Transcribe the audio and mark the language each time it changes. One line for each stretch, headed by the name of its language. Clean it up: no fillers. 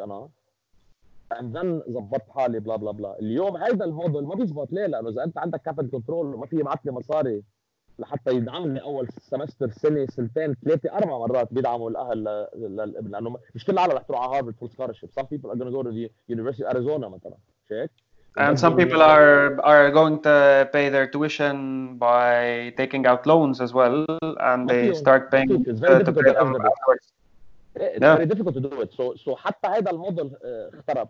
Arabic: انا عندن زبط حالي بلا بلا بلا. اليوم هذا الموديل ما بيزبط، ليه؟ لانه اذا انت عندك
English: capital control
Arabic: ما في معطلي مصاري لحتى يدعمني اول سمستر سنه سنتين ثلاثه اربع مرات بيدعموا الاهل للابن، لانه مش كل العالم رح تروح على هارفرد
English: Full scholarship. Some people are going to go to the University of Arizona
Arabic: مثلا، شيك؟
English: And some people are going to pay their tuition by taking out loans as well and they start paying to pay them afterwards. It's very difficult to do it. So
Arabic: حتى هذا الموديل اخترب.